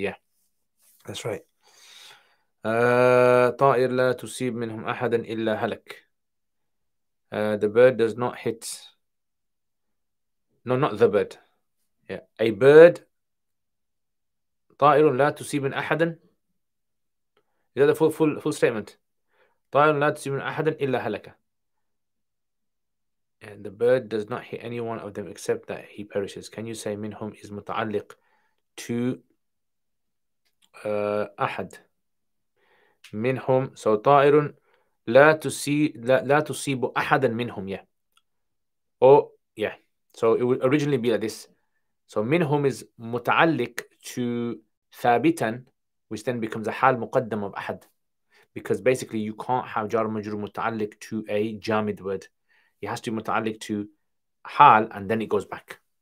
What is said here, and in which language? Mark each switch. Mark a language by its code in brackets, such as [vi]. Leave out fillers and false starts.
[en] Yeah, that's right. [ar] Ta'ir la tusib minhum ahadan illa halak. [en] The bird does not hit. No, not the bird. Yeah. A bird. [ar] طائر لا تصيب أحدا. [en] Is that the full statement? [ar] طائر لا تصيب أحدا إلا هلك. [en] And the bird does not hit any one of them except that he perishes. Can you say منهم is متعلق to أحد. [ar] منهم. So طائر لا تصيب أحدا منهم. [en] Yeah. Oh, yeah. So it would originally be like this. So minhum is mutaalliq to thabitan, which then becomes a hal muqaddam of ahad. Because basically you can't have jar majrur mutaalliq to a jamid word. It has to be mutaalliq to hal and then it goes back.